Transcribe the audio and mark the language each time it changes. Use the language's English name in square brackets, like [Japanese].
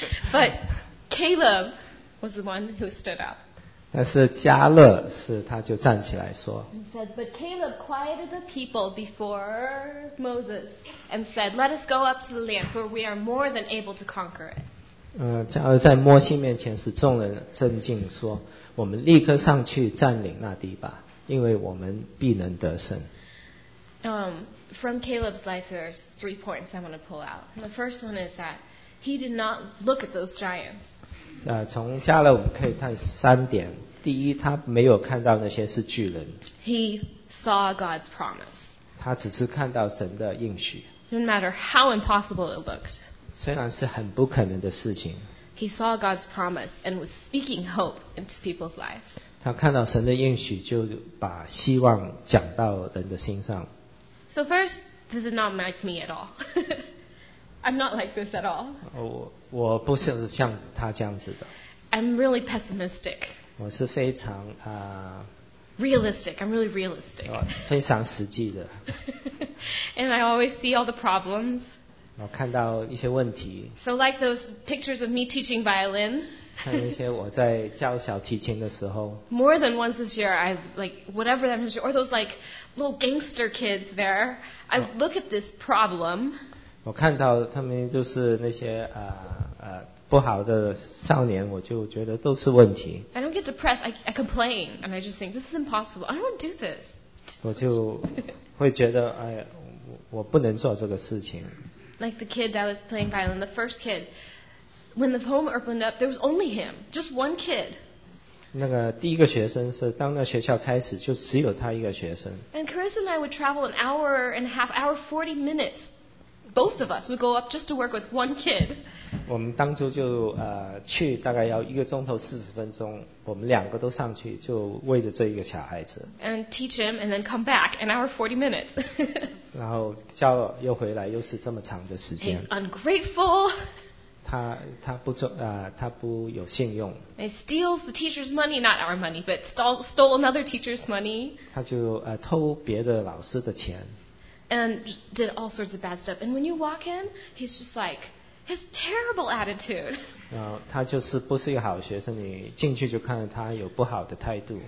[English] But Caleb was the one who stood up. [Chinese] 但是加勒是他就站起来说。 [English] He said, "But Caleb quieted the people before Moses and said, 'Let us go up to the land where we are more than able to conquer it.'" [Chinese] 加勒在摩西面前使众人镇静，说：“我们立刻上去占领那地吧，因为我们必能得胜。” [English] From Caleb's life, there's three points I want to pull out. And the first one is that he did not look at those giants. [Chinese] 从加勒我们可以看三点。第一，他没有看到那些是巨人。 [English] He saw God's promise. [Chinese] 他只是看到神的应许。 [English] No matter how impossible it looked. [Chinese] 虽然是很不可能的事情。 [English] He saw God's promise and was speaking hope into people's lives. [Chinese] 他看到神的应许，就把希望讲到人的心上。 [English] So first, this is not like me at all. I'm not like this at all. [Chinese] 我不是像他这样子的。 [English] I'm really pessimistic. [Chinese] 我是非常 [English] realistic. I'm really realistic. [Chinese] 非常实际的。 [English] And I always see all the problems. [Chinese] 我看到一些问题。 [English] So like those pictures of me teaching violin. [Chinese] 看那些我在教小提琴的时候。 [English] More than once this year, I like whatever that is, or those like little gangster kids there. I look at this problem. [Chinese] 我看到他们就是那些不好的少年，我就觉得都是问题。 [English] I don't get depressed. I complain and I just think this is impossible. I don't do this. [Chinese] 我就会觉得哎，我不能做这个事情。 [English] Like the kid that was playing violin, the first kid. When the home opened up, there was only him, just one kid. [Chinese] 那个第一个学生是当那学校开始就只有他一个学生。 [English] And Chris and I would travel an hour and a half, hour 40 minutes. Both of us would go up just to work with one kid. [Chinese] 我们当初就去大概要一个钟头四十分钟，我们两个都上去就为着这一个小孩子。 [English] And teach him and then come back an hour 40 minutes. [Chinese] 然后教又回来又是这么长的时间。 [English] He's ungrateful. [Chinese] 他不有信用。 [English] He steals the teacher's money, not our money, but stole another teacher's money. [Chinese] 他就偷别的老师的钱。 [English] And did all sorts of bad stuff. And when you walk in, he's just like, his terrible attitude. [Chinese] 他就是不是一个好学生, 你进去就看到他有不好的态度。